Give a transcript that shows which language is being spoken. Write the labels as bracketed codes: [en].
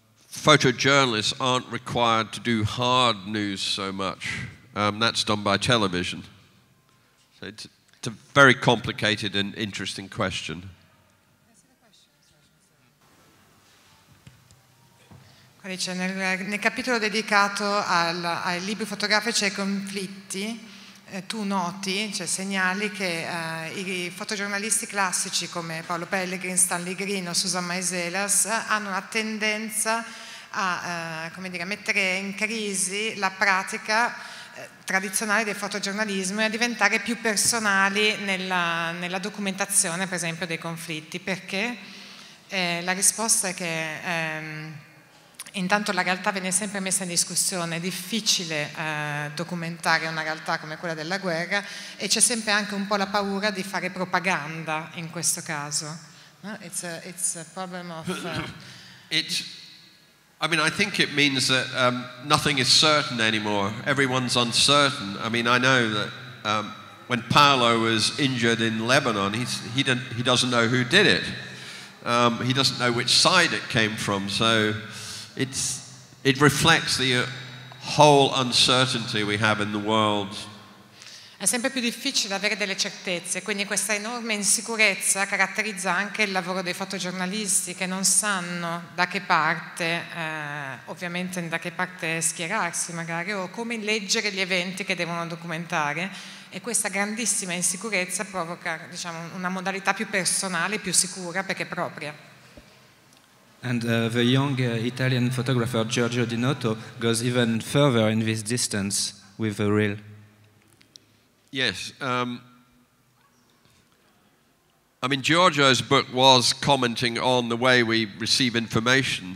[en] Photojournalists aren't required to do hard news so much. That's done by television. So it's a very complicated and interesting question. [it] Dice, nel capitolo dedicato ai libri fotografici e ai conflitti, tu noti, cioè segnali che i fotogiornalisti classici come Paolo Pellegrin, Stanley Green o Susan Meiselas hanno una tendenza a, come dire, a mettere in crisi la pratica tradizionale del fotogiornalismo e a diventare più personali nella documentazione, per esempio, dei conflitti. Perché? La risposta è che intanto la realtà viene sempre messa in discussione, è difficile documentare una realtà come quella della guerra, e c'è sempre anche un po' la paura di fare propaganda in questo caso. [en] No? It's a problem of... I think it means that nothing is certain anymore, everyone's uncertain. I mean, I know that when Paolo was injured in Lebanon, he doesn't know who did it. He doesn't know which side it came from, so... It reflects the whole uncertainty we have in the world. [it] È sempre più difficile avere delle certezze, quindi questa enorme insicurezza caratterizza anche il lavoro dei fotogiornalisti, che non sanno da che parte, ovviamente da che parte schierarsi magari, o come leggere gli eventi che devono documentare, e questa grandissima insicurezza provoca, diciamo, una modalità più personale, più sicura, perché propria. [en] And the young Italian photographer Giorgio Di Noto goes even further in this distance with the reel. Yes. Giorgio's book was commenting on the way we receive information.